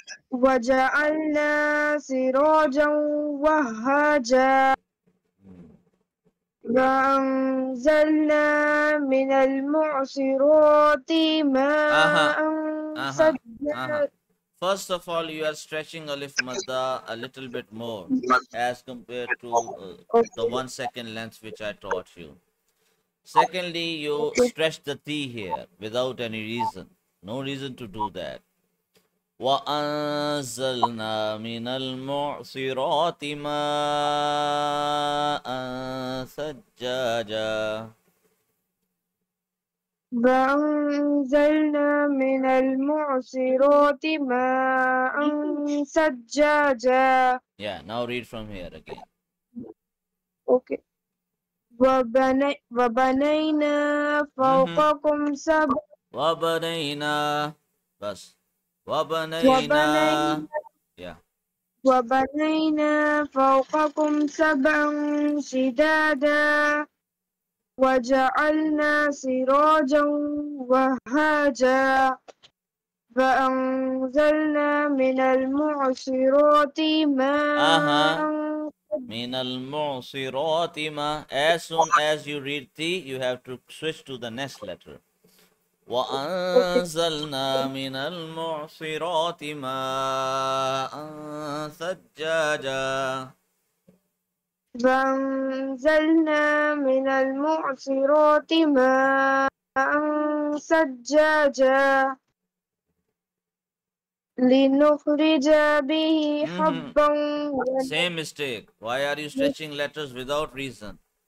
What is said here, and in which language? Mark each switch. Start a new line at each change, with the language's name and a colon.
Arabic: وجعلنا سراجا وهاجا. وأنزلنا من المعصرات ماء سجاجا.
English: First of all, you are stretching Alif Madda a little bit more as compared to the 1 second length which I taught you. Secondly, you stretch the T here without any reason. No reason to do that.
Arabic: وأنزلنا من المعصرات ماء سجاجا. وأنزلنا من المعصرات ماء سجاجا.
English: Yeah, now read from here again.
Arabic: Okay. وبنينا فوقكم سبعا. وبنينا بس. وبنينا. Yeah. وبنينا فوقكم سبعا شدادا وجعلنا سراجا وهاجا فأنزلنا من المعصرات ماء. من المعصرات ما.
English: As soon as you read T, you have to switch to the next letter.
Arabic: وأنزلنا من المعصرات ماء ثجاجا. وأنزلنا من المعصرات ماء ثجاجا لنخرج به حبا.
English: Same mistake. Why are you stretching letters without reason?